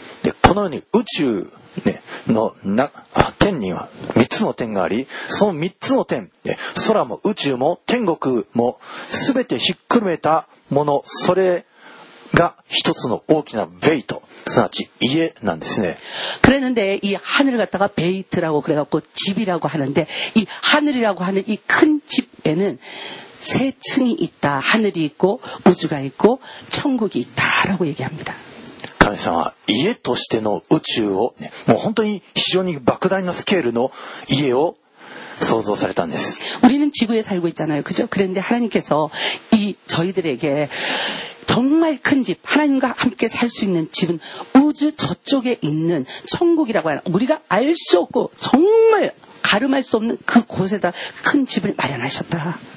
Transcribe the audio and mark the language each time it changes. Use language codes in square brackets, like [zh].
[ja] でこのように宇宙ね、のなあ天には3つの点があり、その3つの点、空も宇宙も天国も全てひっくるめたもの、それが一つの大きなベイト、すなわち家なんですね。 [ko] 그랬는데이하늘갖다가베이트라고그래갖고집이라고하는데이하늘이라고하는이큰집에는세층이있다。 하늘이있고우주가있고천국이있다라고얘기합니다。 [ja] 神様は家としての宇宙を、ね、もう本当に非常に莫大なスケールの家を想像されたんです。 [ko] 우리는지구에살고있잖아요그죠。 그런데하나님께서이저희들에게정말큰집하나님과함께살수있는집은우주저쪽에있는천국이라고하는우리가알수없고정말가름할수없는그곳에다큰집을마련하셨다。